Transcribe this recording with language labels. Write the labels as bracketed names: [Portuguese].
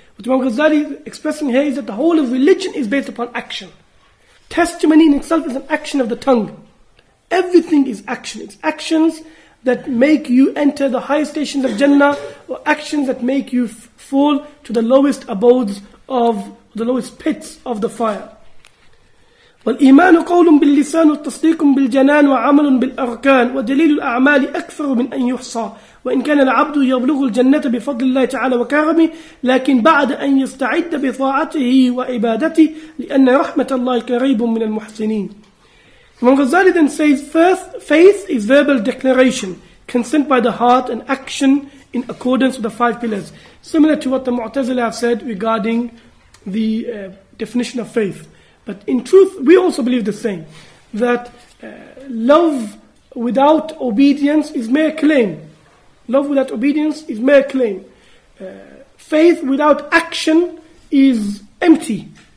[English] What Imam Ghazali is expressing here is that the whole of religion is based upon action. Testimony in itself is an action of the tongue. Everything is action. It's actions that make you enter the highest stations of Jannah, or actions that make you fall to the lowest abodes of the lowest pits of the fire. [Arabic] والإيمان قول باللسان والتصديق بالجنان وعمل بالأركان ودليل الأعمال أكثر من أن يحصى وإن كان العبد يبلغ الجنة بفضل الله تعالى وكرمه لكن بعد أن يستعد بطاعته وعبادته لأن رحمة الله قريب من المحسنين [English] Imam Ghazali then says, first, faith is verbal declaration, consent by the heart and action in accordance with the five pillars. Similar to what the Mu'tazila have said regarding the definition of faith. But in truth, we also believe the same, that love without obedience is mere claim. Love without obedience is mere claim. Faith without action is empty.